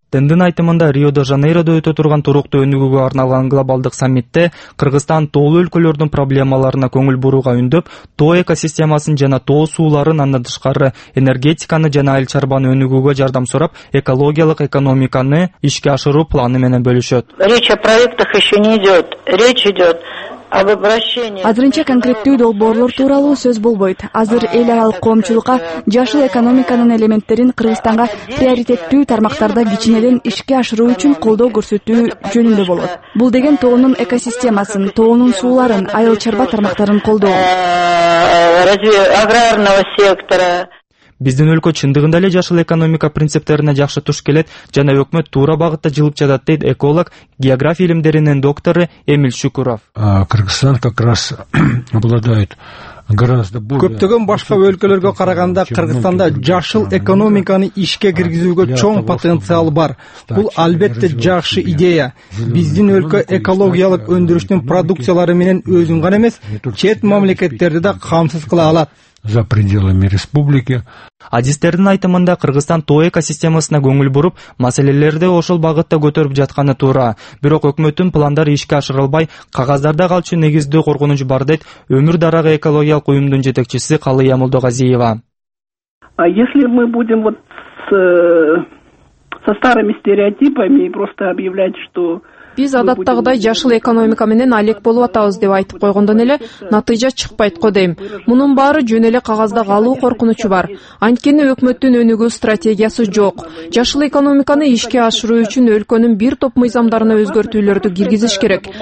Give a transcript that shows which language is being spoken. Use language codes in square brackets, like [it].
[ky] Тендин айтымында Рио-де-Жанейрода өтө турган туруктуу өнүгүүгө арналган глобалдык саммитте Кыргызстан тоолуу өлкөлөрдүн проблемаларына көңүл бурууга үндөп, тоо экосистемасын жана тоо сууларын андан тышкары энергетиканы жана айыл чарбаны өнүгүүгө жардам сурап, экологиялык экономиканы ишке ашыруу планы менен бөлүшөт. [ru] Речь о проектах еще не идет. Речь идет [ky] Азырынча конкреттүү долбоорлор тууралуу сөз болбойт. Азыр эл аралык коомчулукка жашыл экономиканын элементтерин Кыргызстанга приоритеттүү тармактарда кичинеден ишке ашыруу үчүн колдоо көрсөтүү жөнүндө болот. Бул деген тоонун экосистемасын, тоонун сууларын, айыл чарба тармактарын колдоо. [ru] Аграрного сектора. [ky] Биздин өлкө чындыгында эле жашыл экономика принциптерине жакшы туш келет жана өкмөт туура багытта жылып жатат, дейт эколог, география илимдеринин доктору Эмиль Шүкуров. [ru] Кыргызстан как раз обладает гораздо более. [ky] Көптөгөн башка өлкөлөргө караганда Кыргызстанда жашыл экономиканы ишке киргизүүгө чоң потенциал бар. Бул албетте жакшы идея. Биздин өлкө экологиялык өндүрүштүн продукциялары менен өзүн гана эмес, чет мамлекеттерди да камсыз кыла алат. [ru] За пределами республики. [ky] Адистердин айтымында Кыргызстан тоо экосистемасына көңүл буруп, маселелерди ошол багытта көтөрүп жатканы туура. Бирок өкмөттүн пландары ишке ашырылбай, кагаздарда калчу негизди коргонуч бар, дейт Өмүр дарагы экологиялык уюмдун жетекчиси Калыя Молдогазиева. [ru] А если мы будем вот со старыми стереотипами просто объявлять, что [ky] биз адаттагыдай жашыл экономика менен алек болуп атабыз деп айтып койгондон эле натыйжа чыкпайт го дейм. Мунун баары жөн эле кагазда калуу коркунучу бар. Анткени өкмөттүн өнүгүү стратегиясы жок. Жашыл экономиканы ишке ашыруу үчүн өлкөнүн бир топ мыйзамдарына өзгөртүүлөрдү киргизиш керек.